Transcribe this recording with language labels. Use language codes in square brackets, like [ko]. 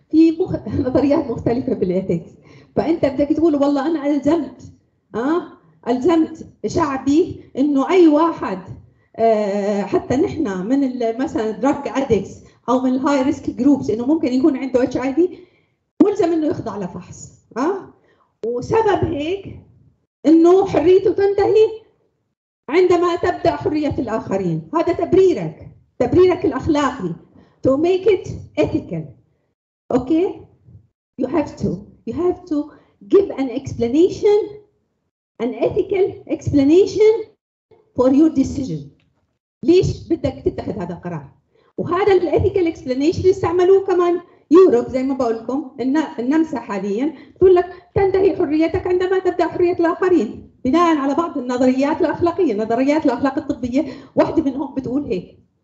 [ar] في نظريات مختلفه بالإيثكس، فانت بدك تقول والله انا الزمت ألزمت شعبي إنه أي واحد حتى نحن من مثلا [en] drug addicts [ar] أو من [en] high risk groups [ar] إنه ممكن يكون عنده HIV ملزم إنه يخضع لفحص، وسبب هيك إنه حريته تنتهي عندما تبدأ حرية الآخرين. هذا تبريرك الأخلاقي [en] to make it ethical. Okay, you have to give an explanation, an ethical explanation for your decision. [ar] ليش بدك تتخذ هذا القرار؟ وهذا ال [en] ethical explanation [ar] استعملوه كمان يوروب زي ما بقول لكم النمسا حاليا تقول لك تنتهي حريتك عندما تبدا حريه الاخرين بناء على بعض النظريات الاخلاقيه، نظريات الاخلاق الطبيه واحده منهم بتقول هيك.